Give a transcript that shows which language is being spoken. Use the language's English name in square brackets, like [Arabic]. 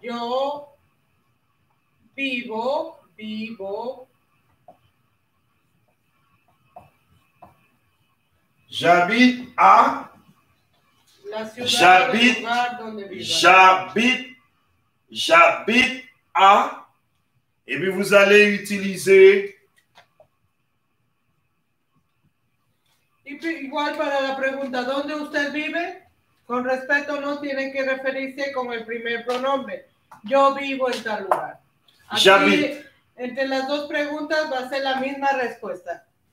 [Spanish] Yo vivo, vivo. [French] J'habite à [Spanish] la ciudad, j'habite, el lugar donde vivo. [French] J'habite, j'habite à. Et puis vous allez utiliser. [Spanish] Igual para la pregunta, ¿dónde usted vive? Con respeto, no tiene que referirse con el primer pronombre. Yo vivo en tal lugar. Aquí, entre las dos preguntas va a ser la misma respuesta.